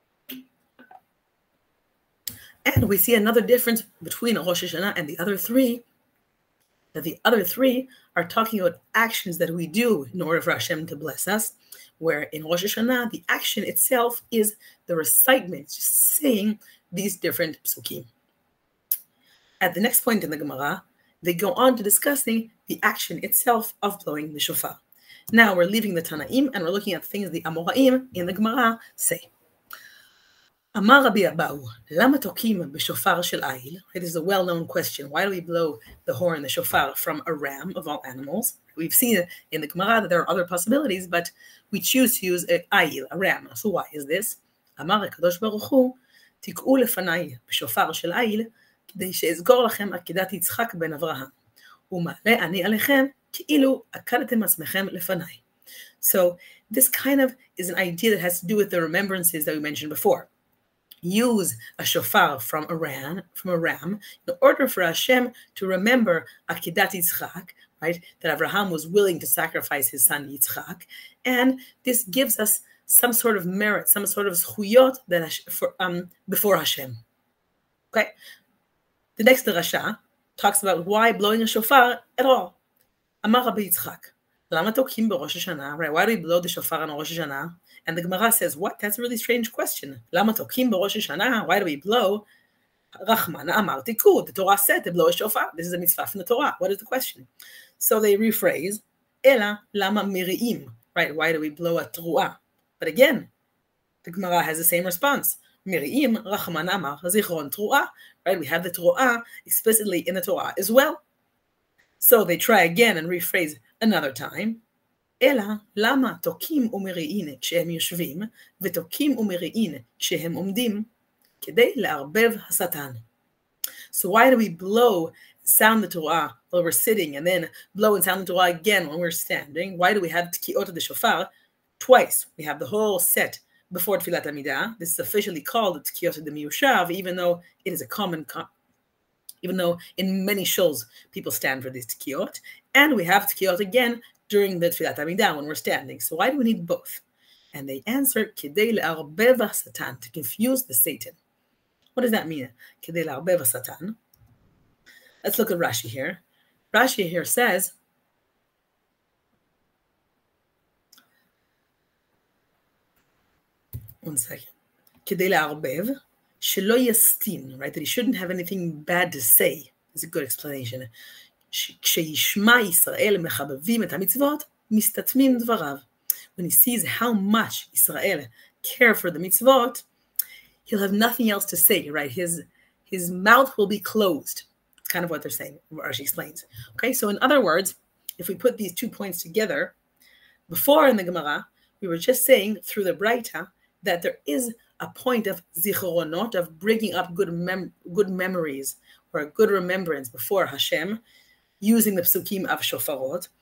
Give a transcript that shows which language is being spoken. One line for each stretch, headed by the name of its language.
English: And we see another difference between Rosh Hashanah and the other three, that the other three are talking about actions that we do in order for Hashem to bless us, where in Rosh Hashanah, the action itself is the recitement, just saying these different psukim. At the next point in the Gemara, they go on to discussing the action itself of blowing the shofar. Now we're leaving the Tanaim and we're looking at the things the Amoraim in the Gemara say. אמר רבי אבאו, למה תוקעים בשופר של איל? It is a well-known question. Why do we blow the horn, the shofar, from a ram of all animals? We've seen in the Gemara that there are other possibilities, but we choose to use an איל, a ram. So why is this? אמר הקדוש ברוך הוא, תקעו לפניי בשופר של איל, כדי שאזכור לכם עקידת יצחק בן אברהם. ומעלה אני עליכם, כאילו עקדתם עצמכם לפניי. So this kind of is an idea that has to do with the remembrances that we mentioned before. Use a shofar from a ram, in order for Hashem to remember Akedat Yitzchak, right, that Abraham was willing to sacrifice his son Yitzchak, and this gives us some sort of merit, some sort of zchuyot before Hashem. Okay, the next drasha talks about why blowing a shofar at all.
Hebrew: Amar Rabbi Yitzchak, Lama tokim b'Rosh Hashanah,
English: right, why do we blow the shofar on Rosh Hashanah? And the Gemara says, what? That's a really strange question.
Hebrew: Lama tokim b'Rosh Hashanah?
English: Why do we blow?
Hebrew: Rachmana amar tiku.
English: The Torah said to blow a shofar. This is a mitzvah from the Torah. What is the question? So they rephrase,
Hebrew: Ela lama miri'im.
English: Right? Why do we blow a tru'ah? But again, the Gemara has the same response.
Hebrew: Miri'im rachmana amar zichron tru'ah.
English: Right? We have the tru'ah explicitly in the Torah as well. So they try again and rephrase another time.
Hebrew: אלא למה תוקים ומריעין כשהם יושבים ותוקים ומריעין כשהם עומדים כדי לערבב השטן.
English: So why do we blow sound the Torah while we're sitting and then blow and sound the Torah again when we're standing? Why do we have תקיעות of the shofar twice? We have the whole set before תפילת עמידה. This is officially called תקיעות of the מיושב, even though it is a common even though in many shuls people stand for this תקיעות, and we have תקיעות again during the Tfilat Amidah, when we're standing. So why do we need both? And they answer,
Hebrew: כדי לערבב השטן,
English: to confuse the Satan. What does that mean?
Hebrew: כדי לערבב השטן.
English: Let's look at Rashi here. Rashi here says, one second.
Hebrew: כדי לערבב, שלא יסטין, right?
English: That he shouldn't have anything bad to say. It's a good explanation.
Hebrew: כשישמע ישראל מחבבים את המצוות, מסתתמים דבריו.
English: When he sees how much Israel care for the mitzvot, he'll have nothing else to say, right? His mouth will be closed. It's kind of what they're saying, Rashi explains. Okay, so in other words, if we put these two points together, Before in the Gemara, we were just saying through the Braita that there is a point of zichronot, of bringing up good memories or a good remembrance before Hashem, using the psukim of shofarot.